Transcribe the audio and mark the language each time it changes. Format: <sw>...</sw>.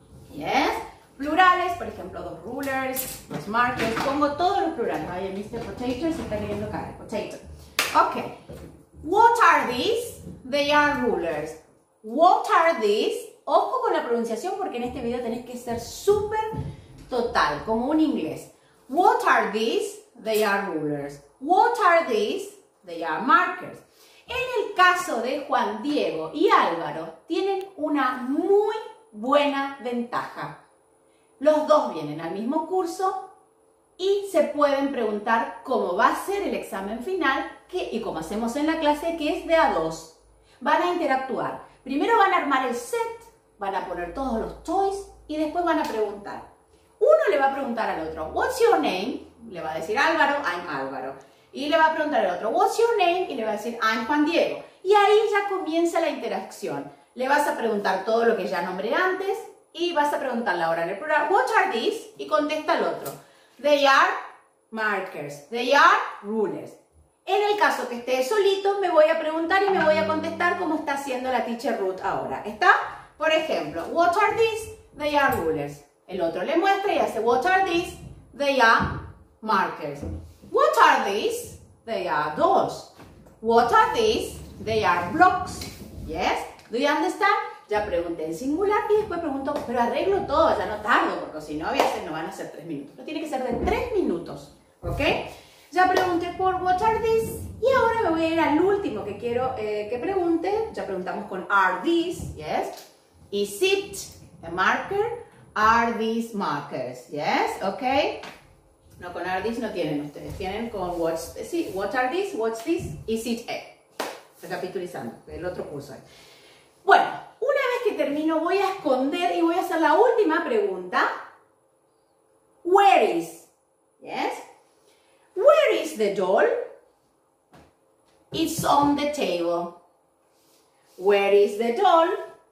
<es>Yes, plurales, por ejemplo,</es> <en>dos rulers, dos markers.</en> <es>Pongo todos los plurales. Vaya, Mr. Potato se está queriendo caer. Potato. Okay.</es> <en>What are these? They are rulers. What are these?</en> <es>Ojo con la pronunciación porque en este video tenés que ser súper total, como un inglés. What are these? They are rulers. What are these? They are markers. En el caso de Juan Diego y Álvaro, tienen una muy buena ventaja. Los dos vienen al mismo curso y se pueden preguntar cómo va a ser el examen final que, y cómo hacemos en la clase, que es de A2. Van a interactuar. Primero van a armar el set, van a poner todos los toys y después van a preguntar. Uno le va a preguntar al otro,</es> <en>what's your name?</en> <es>Le va a decir Álvaro,</es> <en>I'm Álvaro.</en> <es>Y le va a preguntar al otro,</es> <en>what's your name?</en> <es>Y le va a decir,</es> <en>I'm Juan Diego.</en> <es>Y ahí ya comienza la interacción. Le vas a preguntar todo lo que ya nombré antes y vas a preguntar la hora en el programa,</es> <en>what are these?</en> <es>Y contesta al otro,</es> <en>they are markers, they are rulers.</en> <es>En el caso que esté solito, me voy a preguntar y me voy a contestar cómo está haciendo la teacher Ruth ahora. ¿Está? Por ejemplo,</es> <en>what are these? They are rulers.</en> <es>El otro le muestra y hace,</es> <en>what are these? They are markers. What are these? They are doors. What are these? They are blocks. Yes? Do you understand?</en> <es>Ya pregunté en singular y después pregunto, pero arreglo todo, ya no tardo, porque si no, no van a ser 3 minutos. No tiene que ser de 3 minutos, ¿ok? Ya pregunté por</es> <en>what are these</en> <es>y ahora me voy a ir al último que quiero que pregunte. Ya preguntamos con</es> <en>are these, yes? Is it a marker? Are these markers, yes? Ok.</en> <es>No, con are these no tienen ustedes. Tienen con what's, sí,</es> <en>what are these, what's this, is it a?</en> <es>Recapitulizando, el otro curso. Bueno, una vez que termino voy a esconder y voy a hacer la última pregunta.</es> <en>Where is, yes? Where is the doll? It's on the table. Where is the doll?</en>